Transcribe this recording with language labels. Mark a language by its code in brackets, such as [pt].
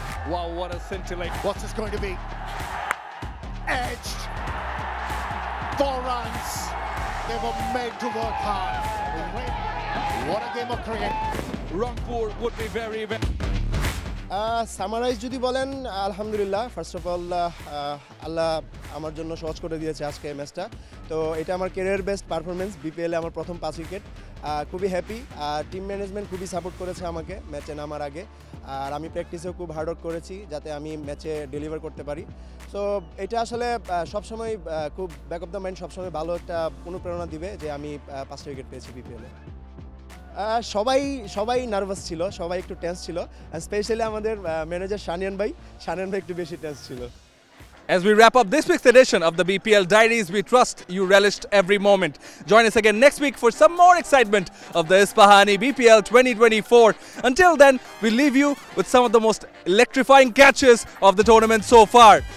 [en] Wow, what a scintillate. What's this going to be? Edged. 4 runs. They were made to work hard. What a game of cricket. Rangpur would be very bad. [bn] Summarise যদি বলেন, আলহামদুলিল্লাহ, [en] first of all [bn] আল্লাহ আমার জন্য সহজ করে দিয়েছে আজকে এই ম্যাচটা। তো এটা আমার ক্যারিয়ার বেস্ট পারফরমেন্স, বিপিএলে আমার প্রথম 5 উইকেট, খুবই হ্যাপি। টিম ম্যানেজমেন্ট খুবই সাপোর্ট করেছে আমাকে ম্যাচে নামার আগে, আর আমি প্র্যাকটিসেও খুব হার্ড ওয়ার্ক করেছি যাতে আমি ম্যাচে ডেলিভার করতে পারি। সো এটা আসলে সবসময় খুব [en] back of the mind [bn] সবসময় ভালো একটা অনুপ্রেরণা দিবে যে আমি 5 উইকেট পেয়েছি বিপিএলে। সবাই নার্ভাস ছিল, সবাই একটু টেন্স ছিল, স্পেশালি আমাদের ম্যানেজার শানিয়ান ভাই একটু বেশি টেন্স ছিল। [en] As we wrap up this week's edition of the BPL Diaries, we trust you relished every moment. Join us again next week for some more excitement of the Isfahani BPL 2024. Until then, we leave you with some of the most electrifying catches of the tournament so far.